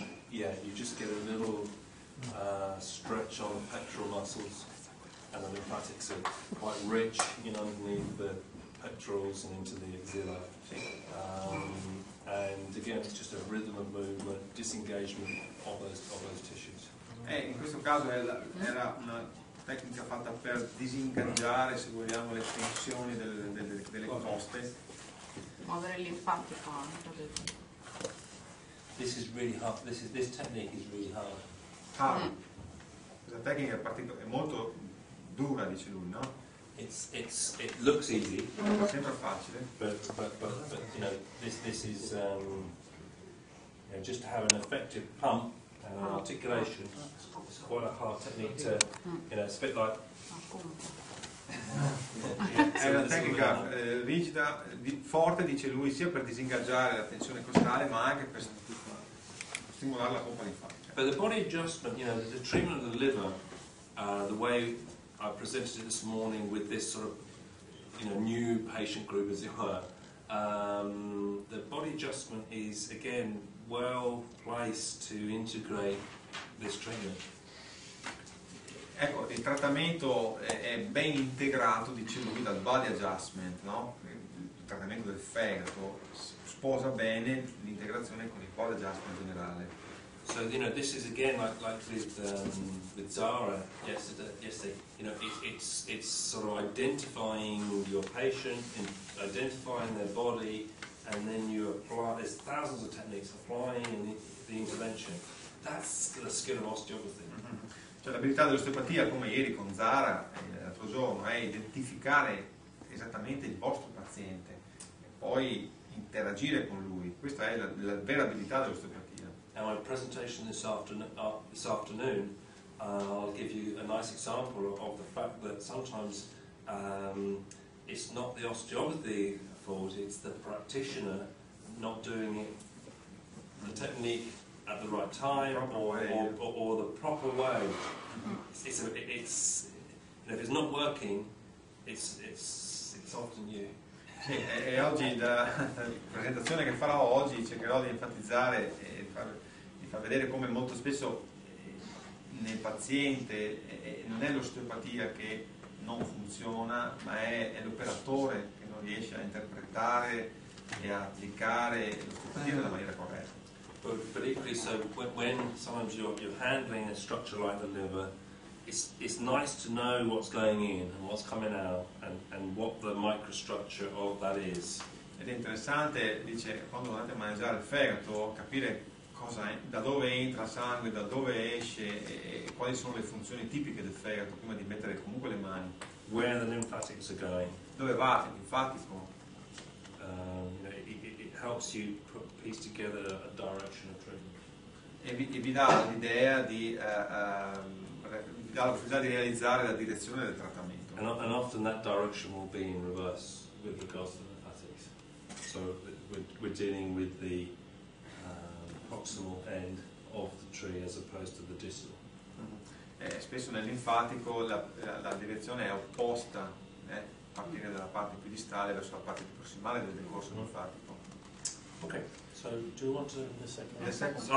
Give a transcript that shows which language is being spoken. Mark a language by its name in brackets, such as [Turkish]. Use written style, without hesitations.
[English] You just get a little stretch on the pectoral muscles, and the lymphatics are quite rich underneath the pectorals and into the axilla. And again, it's just a rhythm of movement, disengagement of those tissues. [Italian] In questo caso era una tecnica fatta per disingaggiare, se vogliamo, le tensioni delle coste. Muovere il linfatico. [English] This is really hard. This technique is really hard. [Italian] Questa tecnica è molto dura, dice lui, no? [English] It looks easy. [Italian] Sembra facile. [English] But you know, this is just to have an effective pump and an articulation. It's quite a hard technique to, it's a bit like. [Italian] È una tecnica rigida, forte, dice lui, sia per disingaggiare la tensione costale, ma anche per stimolare la pompa linfatica. [English] But the body adjustment, you know, the treatment of the liver, the way I presented it this morning with this sort of, you know, new patient group, as it were, the body adjustment is, again, well placed to integrate this treatment. [Italian] Ecco, il trattamento è ben integrato, dice lui, dal body adjustment, no? Il trattamento del fegato sposa bene l'integrazione con il body adjustment generale. [English] So, you know, this is again like with Zara yesterday. You know, it's sort of identifying your patient, identifying their body, and then you apply. There's thousands of techniques applying the intervention. That's the skill of osteopathy. [Italian] Cioè l'abilità dell'osteopatia, come ieri con Zara l'altro giorno, è identificare esattamente il vostro paziente e poi interagire con lui. Questa è la vera abilità dell'osteopatia. [English] Now, my presentation this afternoon, I'll give you a nice example of the fact that sometimes it's not the osteopathy fault, it's the practitioner not doing it the technique at the right time, or the proper way. If it's not working, it's often you. [Italian] Sì, e oggi la presentazione che farò oggi cercherò di enfatizzare e di far vedere come molto spesso nel paziente non è l'osteopatia che non funziona, ma è l'operatore che non riesce a interpretare e a applicare l'osteopatia nella maniera corretta. [English] But equally, so when sometimes you're handling a structure like the liver, it's nice to know what's going in and what's coming out and what the microstructure of that is. [Italian] Ed è interessante, dice, quando andate a mangiare il fegato, capire cosa è, da dove entra sangue, da dove esce e quali sono le funzioni tipiche del fegato prima di mettere comunque le mani. [English] Where the lymphatics are going. [Italian] Dove va il linfatico? [English] It helps you put piece together a direction of treatment. [Italian] E vi dà l'idea di dà la possibilità di realizzare la direzione del trattamento. [English] And often that direction will be in reverse with regards to the lymphatics. So we're dealing with the proximal end of the tree as opposed to the distal. Mm-hmm. [Italian] Spesso nel linfatico la direzione è opposta, partire dalla parte più distale verso la parte più prossimale del decorso linfatico. [English] Ok, so do you want to the second?